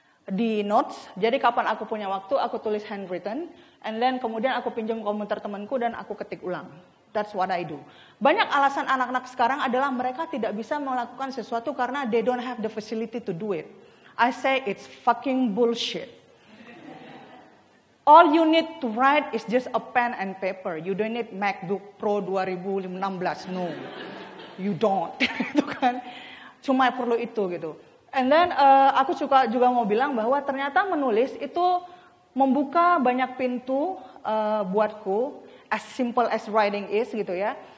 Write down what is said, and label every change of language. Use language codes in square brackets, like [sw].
[id] Di notes, jadi kapan aku punya waktu, aku tulis handwritten, and then kemudian aku pinjam komputer temanku dan aku ketik ulang. [en] That's what I do. [id] Banyak alasan anak-anak sekarang adalah mereka tidak bisa melakukan sesuatu karena [en] they don't have the facility to do it. I say it's fucking bullshit. All you need to write is just a pen and paper. You don't need MacBook Pro 2016. No, you don't. [id] Itu kan cuma perlu itu gitu. And then aku juga mau bilang bahwa ternyata menulis itu membuka banyak pintu buatku, [en] as simple as writing is [id] gitu ya.